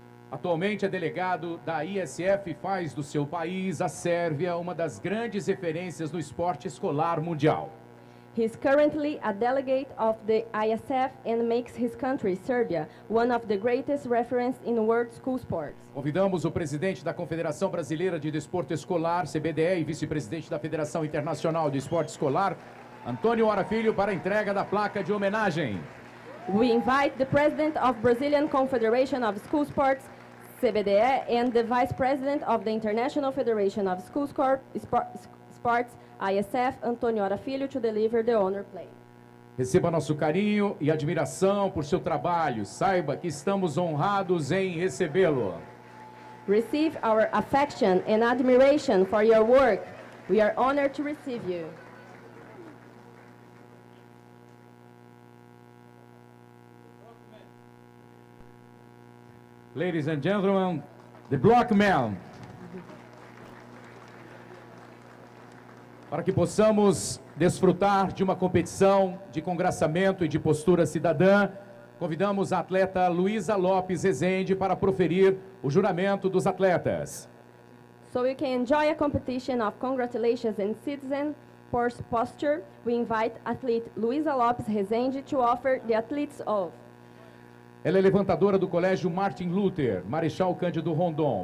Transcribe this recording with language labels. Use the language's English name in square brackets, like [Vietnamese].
[Portuguese] Atualmente é delegado da ISF e faz do seu país, a Sérvia, uma das grandes referências no esporte escolar mundial. [English] He is currently a delegate of the ISF and makes his country, Serbia, one of the greatest references in world school sports. [Portuguese] Convidamos o presidente da Confederação Brasileira de Desporto Escolar, CBDE, e vice-presidente da Federação Internacional de Esporte Escolar, Antônio Ora Filho, para a entrega da placa de homenagem. [English] We invite the President of Brazilian Confederation of School Sports, CBDE, and the Vice President of the International Federation of School Sports, ISF, Antônio Ora Filho, to deliver the honor plate. [Portuguese] Receba nosso carinho e admiração por seu trabalho. Saiba que estamos honrados em recebê-lo. [English] Receive our affection and admiration for your work. We are honored to receive you. Ladies and gentlemen, the Block Man. [Portuguese] Para que possamos desfrutar de uma competição de congraçamento e de postura cidadã, convidamos a atleta Luísa Lopes Rezende para proferir o juramento dos atletas. [English] So you can enjoy a competition of congratulations and citizen posture, we invite athlete Luísa Lopes Rezende to offer the athletes of. [Portuguese] Ela é levantadora do Colégio Martin Luther, Marechal Cândido Rondon.